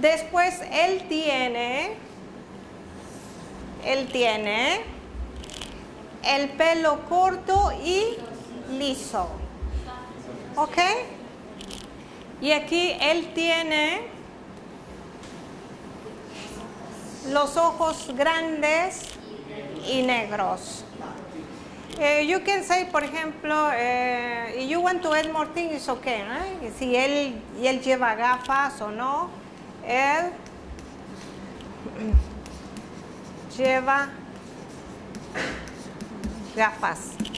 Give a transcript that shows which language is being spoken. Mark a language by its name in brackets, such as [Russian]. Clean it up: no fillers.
[Spanish] Después, él tiene el pelo corto y liso. ¿Ok? Y aquí, él tiene los ojos grandes y negros. [English] You can say, [Spanish] por ejemplo, [English] if you want to add more things, it's okay, right? [Spanish] Si él, y él lleva gafas o no, él lleva gafas.